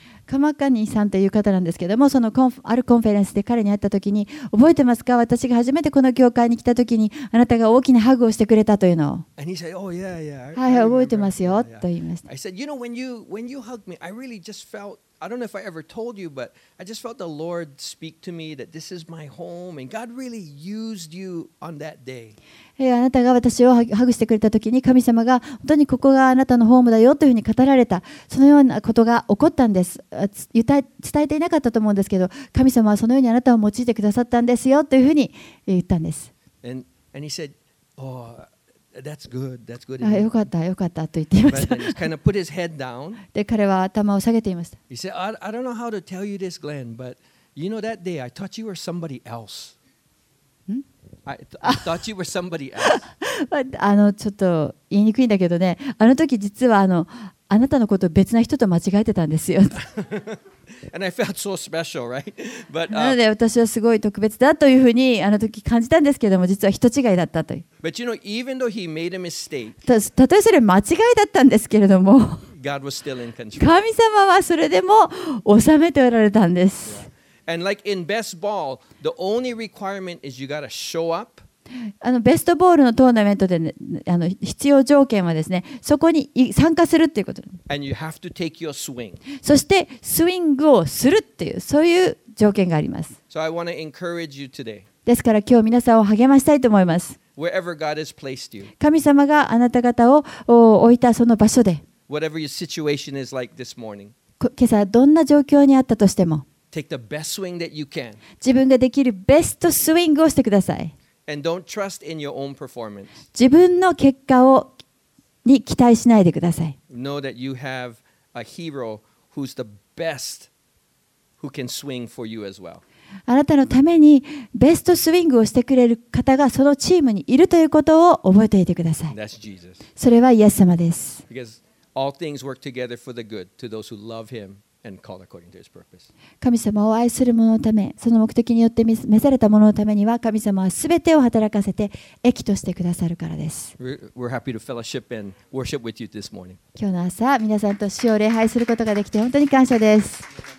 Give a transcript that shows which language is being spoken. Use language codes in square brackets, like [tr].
[ja] Kamakani さんという方なんですけども、そのあるコンフェレンスで彼に会った時に、覚えてますか？私が初めてこの教会に来た時にあなたが大きなハグをしてくれたというのを。 [en] And he said, Oh yeah, yeah. [ja] はい、覚えてますよ、と言いました。 [en] I said, you know, when you hugged me, I really just felt. I don't know if I ever told you, but I just felt the Lord speak to me that this is my home, and God really used you on that day. [ja] Hey, あなたが私をハグしてくれた時に、神様が本当にここがあなたのホームだよというふうに語られた。そのようなことが起こったんです。伝えていなかったと思うんですけど、神様はそのようにあなたを用いてくださったんですよというふうに言ったんです。 [en] And he said, Oh. That's good. That's good. [ja] ああよかったよかったと言っていました。 [en] But he kind of put his head down. [ja] で彼は頭を下げていました。 [en] He said, I don't know how to tell you this, Glenn, but you know that day I thought you were somebody else. I thought you were somebody else. [ja] ちょっと言いにくいんだけどね。あの時実はあなたのことを別な人と間違えてたんですよ。 [en] And I felt so special, right? [ja] But, なので私はすごい特別だというふうにあの時感じたんですけども、実は人違いだったという。 [en] But you know, even though he made a mistake, [ja] たとえそれ間違いだったんですけれども、 [en] God was still in control. [ja] 神様はそれでも収めておられたんです。 [en] Yeah. And like in best ball, the only requirement is you gotta show up. [ja] ベストボールのトーナメントで、ね、必要条件はですね、そこに参加するということ。 [en] And you have to take your swing. [ja] そしてスイングをするっていう、そういう条件があります。 [en] So、I want to encourage you today. [ja] ですから今日皆さんを励ましたいと思います。 [en] Wherever God has placed you. [ja] 神様があなた方を置いたその場所で。 [en] Whatever your situation is like this morning. [ja] 今朝どんな状況にあったとしても。 [en] Take the best swing that you can. [ja] 自分ができるベストスイングをしてください。 [en] And don't trust in your own performance. [ja] 自分の結果をに期待しないでください。 [en] Know that you have a hero who's the best who can swing for you as well. [ja] あなたのためにベストスイングをしてくれる方がそのチームにいるということを覚えていてください。 [en] That's Jesus. [ja] それはイエス様です。 [en] Because all things work together for the good to those who love him. And called according to his purpose. [ja] 神様を愛する者のため、その目的によって召された者のためには、神様はすべてを働かせて益としてくださるからです。 [en] We're happy to fellowship and worship with you this morning. [ja] 今日の朝、皆さんと主を礼拝することができて本当に感謝です。